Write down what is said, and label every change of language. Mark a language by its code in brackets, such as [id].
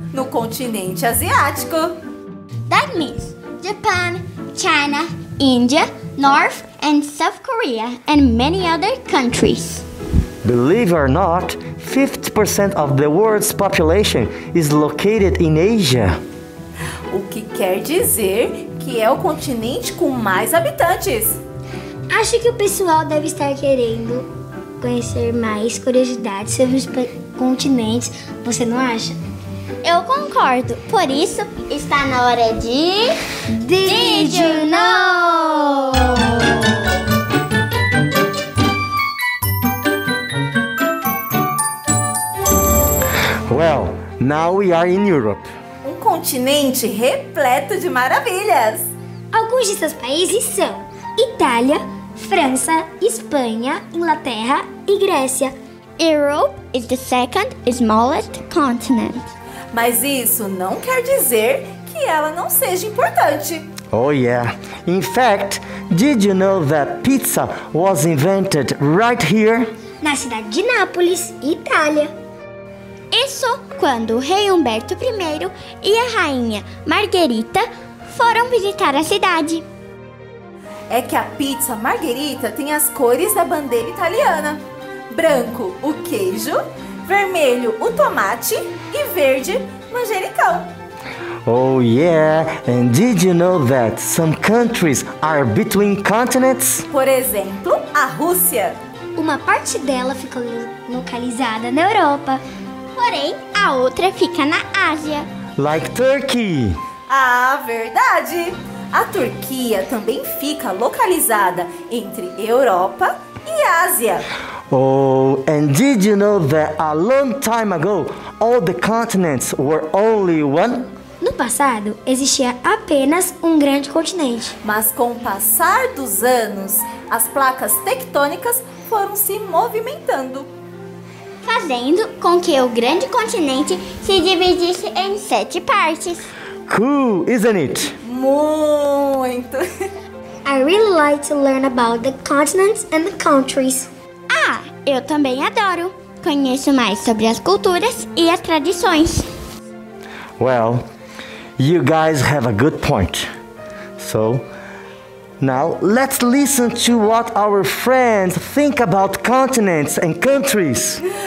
[pt] No continente asiático. [en] That means Japan, China, India, North and South Korea, and many other countries. Believe or not, 50% of the world's population is located in Asia. [pt] O que quer dizer que é o continente com mais habitantes. Acho que o pessoal deve estar querendo conhecer mais curiosidades sobre os continentes, você não acha? Eu concordo. Por isso, está na hora de... [en] Did you know? Well, now we are in Europe. [pt] Um continente repleto de maravilhas. Alguns de seus países são Itália, França, Espanha, Inglaterra e Grécia. [en] Europe is the second smallest continent. [pt] Mas isso não quer dizer que ela não seja importante. [en] Oh yeah. In fact, did you know that pizza was invented right here? [pt] Na cidade de Nápoles, Itália. Isso quando o rei Humberto I e a rainha Margherita foram visitar a cidade. É que a pizza Margherita tem as cores da bandeira italiana. Branco, o queijo. Vermelho, o tomate. E verde, manjericão. [en] Oh yeah, and did you know that some countries are between continents? [pt] Por exemplo, a Rússia. Uma parte dela ficou localizada na Europa. Porém, a outra fica na Ásia. [en] Like Turkey. [pt] Ah, verdade. A Turquia também fica localizada entre Europa e Ásia. [en] Oh, and did you know that a long time ago, all the continents were only one? [pt] No passado, existia apenas um grande continente. Mas com o passar dos anos, as placas tectônicas foram se movimentando, fazendo com que o grande continente se dividisse em 7 partes. [en] Cool, isn't it? [pt] Muito! [en] I really like to learn about the continents and the countries. [pt] Ah, eu também adoro. Conheço mais sobre as culturas e as tradições. [en] Well, you guys have a good point. So, now let's listen to what our friends think about continents and countries.